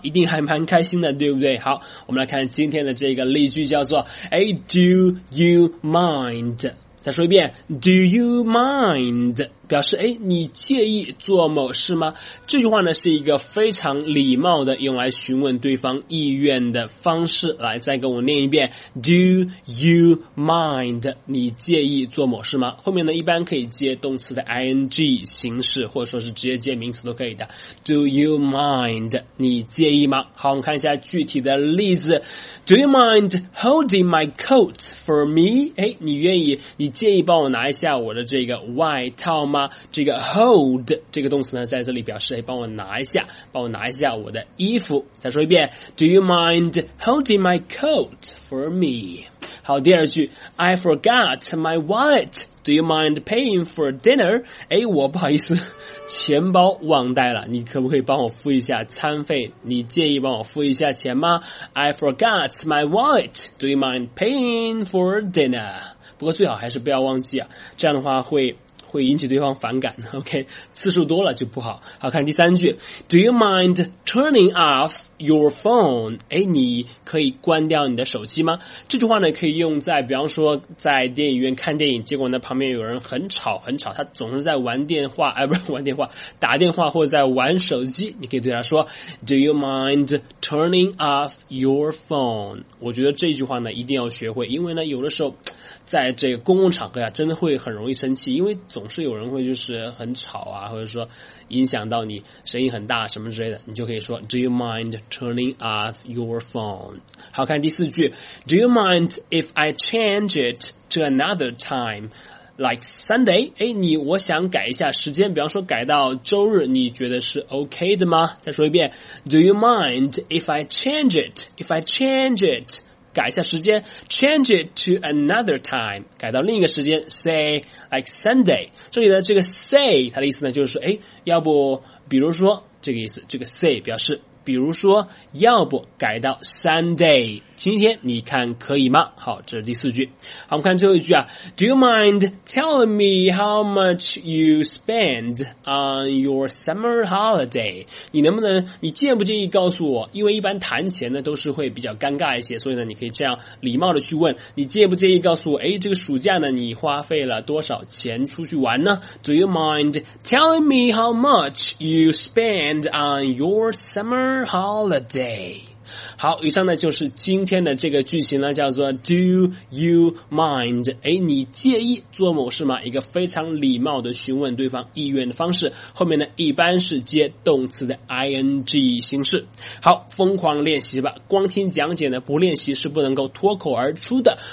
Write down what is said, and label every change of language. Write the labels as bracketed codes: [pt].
[zh] 一定还蛮开心的，对不对？好，我们来看今天的这个例句，叫做 [en] Hey, do you mind? [zh] 再说一遍 [en] Do you mind? [zh] 表示，你介意做某事吗？这句话呢，是一个非常礼貌的用来询问对方意愿的方式。来，再跟我念一遍 [en] Do you mind? [zh] 你介意做某事吗？后面呢，一般可以接动词的 ing 形式，或者说是直接接名词都可以的。 [en] Do you mind? [zh] 你介意吗？好，我们看一下具体的例子。 [en] Do you mind holding my coat for me? [zh] 你介意帮我拿一下我的这个外套吗？这个 hold 这个动词呢，在这里表示，帮我拿一下，帮我拿一下我的衣服。再说一遍 [en] Do you mind holding my coat for me? [zh] 好，第二句 [en] I forgot my wallet. Do you mind paying for dinner? [zh] 我不好意思，钱包忘带了，你可不可以帮我付一下餐费？你介意帮我付一下钱吗？ [en] I forgot my wallet. Do you mind paying for dinner? [zh] 不过最好还是不要忘记啊，这样的话会引起对方反感。 OK, 次数多了就不好。好，看第三句 [en] Do you mind turning off your phone? [zh] 你可以关掉你的手机吗？这句话呢，可以用在比方说在电影院看电影，结果呢旁边有人很吵很吵，他总是在玩电话，打电话或者在玩手机，你可以对他说 [en] Do you mind turning off your phone? [zh] 我觉得这句话呢一定要学会，因为呢有的时候在这个公共场合呀，真的会很容易生气，因为总是有人会就是很吵啊，或者说影响到你，声音很大什么之类的，你就可以说 [en] Do you mind turning off your phone? [zh] 好，看第四句 [en] Do you mind if I change it to another time? Like Sunday? [zh] 我想改一下时间，比方说改到周日，你觉得是 OK 的吗？再说一遍 [en] Do you mind if I change it? If I change it? [zh] 改一下时间 [en] change it to another time, [zh] 改到另一个时间 [en] say like Sunday, [zh] 这里的这个 say 它的意思呢就是说，要不比如说这个意思，这个 say 表示比如说要不改到 Sunday, 今天你看可以吗？好，这是第四句。好，我们看最后一句啊 [en] Do you mind telling me how much you spend on your summer holiday? [zh] 你介不介意告诉我，因为一般谈钱呢都是会比较尴尬一些，所以呢你可以这样礼貌的去问，你介不介意告诉我，这个暑假呢你花费了多少钱出去玩呢？ [en] Do you mind telling me how much you spend on your summer holiday? [zh] 好，以上呢就是今天的这个句型呢，叫做 [en] Do you mind? [zh] 你介意做某事吗？一个非常礼貌的询问对方意愿的方式，后面呢一般是接动词的 ing 形式。好，疯狂练习吧，光听讲解呢不练习是不能够脱口而出的。